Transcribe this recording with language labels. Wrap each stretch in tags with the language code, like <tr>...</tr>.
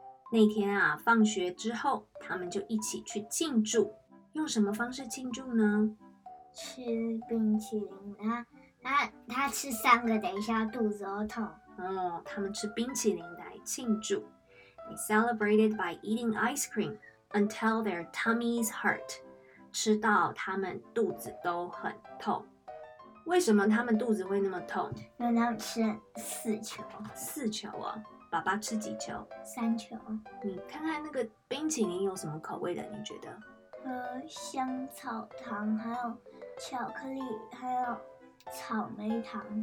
<zh>那天啊，放学之后，他们就一起去庆祝。用什么方式庆祝呢？吃冰淇淋，他吃三个，等一下肚子好痛。哦，他们吃冰淇淋来庆祝。</zh> <en>They celebrated by eating ice cream until their tummies hurt，</en> <zh>吃到他们肚子都很痛。为什么他们肚子会那么痛？因为他们吃四球。四球啊？爸爸吃几球？三球。你看看那个冰淇淋有什么口味的？你觉得？和香草糖，还有巧克力，还有草莓糖。</zh>